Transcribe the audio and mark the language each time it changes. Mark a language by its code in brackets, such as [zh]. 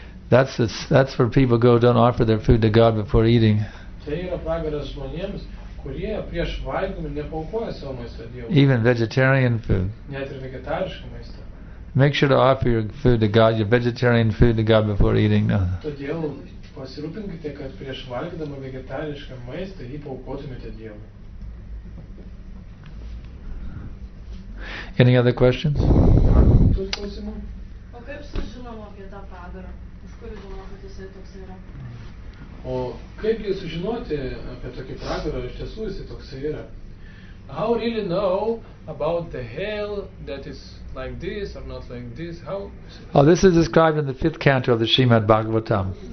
[en] That's where people go, don't offer their food to God before eating. [lt] Tai yra pragaras žmonėms, kurie prieš valgymą nepaukoja savo maisto Dievui. [en] Even vegetarian food. [lt] Net ir vegetarišką maistą. [en] Make sure to offer your food to God, your vegetarian food to God before eating. [lt] Todėl pasirūpinkite, kad prieš valgydama vegetarišką maistą jį paukotumėte Dievui. [en] Any other questions? [lt] O kaip sužinom apie tą pragarą? Už kurį žinom, kad jisai toks yra? O kaip jūs sužinoti apie tokį pragarą, iš tiesų jisai toks yra? [en] How really know about the hell that is like this or not like this? How? Oh, this is described in the fifth canto of the Srimad Bhagavatam.